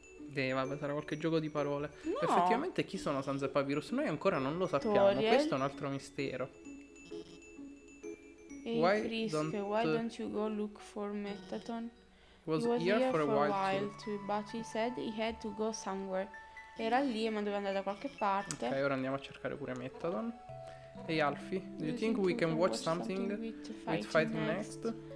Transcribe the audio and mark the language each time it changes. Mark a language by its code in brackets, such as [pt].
[it] Vabbè, sarà qualche gioco di parole. No. Effettivamente, chi sono Sans e Papyrus? Noi ancora non lo sappiamo. Toriel. Questo è un altro mistero. [en] Hey, why Frisk, don't... why don't you go look for Metaton? He was here for a while too, but he said he had to go somewhere. [it] Era lì, ma doveva andare da qualche parte. Ok, ora andiamo a cercare pure Metadon. [en] Hey Alfie, do you think we can watch something with fighting next?